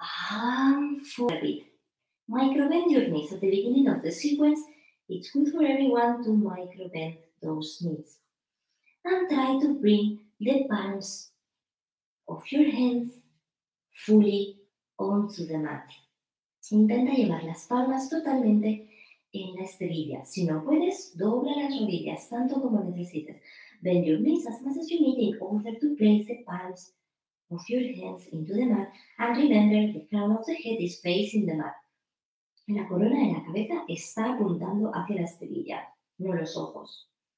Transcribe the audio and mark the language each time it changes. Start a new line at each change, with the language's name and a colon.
English: And for a bit. Micro bend your knees at the beginning of the sequence. It's good for everyone to micro bend those knees. And try to bring the palms of your hands fully onto the mat.
Spanish: Intenta llevar las palmas totalmente en la esterilla. Si no puedes, dobla las rodillas tanto como necesites.
English: Bend your knees as much as you need in order to place the palms of your hands into the mat. And remember, the crown of the head is facing the mat.
Spanish: La corona de la cabeza está apuntando hacia la esterilla, no los ojos.